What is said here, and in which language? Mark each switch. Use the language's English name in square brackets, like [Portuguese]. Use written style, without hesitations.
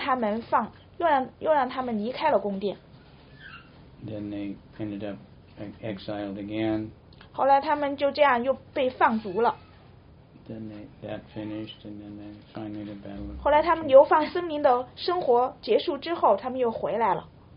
[Chinese] 所以呢，他们就又让他们离开了宫殿。 [English] Then they ended up exiled again. [Chinese] 后来他们就这样又被放逐了。 [English] Then that finished, and then they finally the battle. [Chinese] 后来他们流放森林的生活结束之后，他们又回来了。